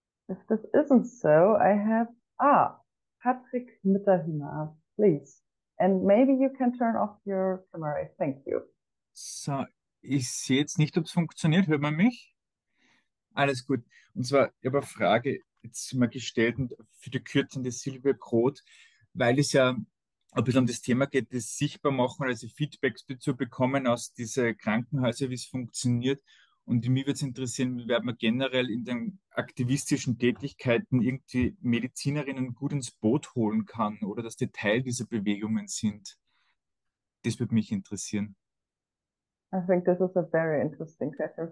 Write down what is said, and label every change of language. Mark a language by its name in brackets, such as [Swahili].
[English] If this isn't so, I have Patrick Mitterhühner, please. And maybe you can turn off your camera. Thank you. [German] So, ich sehe jetzt nicht, ob es funktioniert. Hört man mich? Alles gut. Und zwar, ich habe eine Frage jetzt mal gestellt und für die kürzende Silvia Groth, weil es ja ein bisschen um das Thema geht, das sichtbar machen, also Feedbacks dazu bekommen aus diesen Krankenhäusern, wie es funktioniert. Und mich würde es interessieren, wie werden wir generell in den aktivistischen Tätigkeiten irgendwie Medizinerinnen gut ins Boot holen kann oder dass die Teil dieser Bewegungen sind. Das würde mich interessieren. [English] I think this is a very interesting question.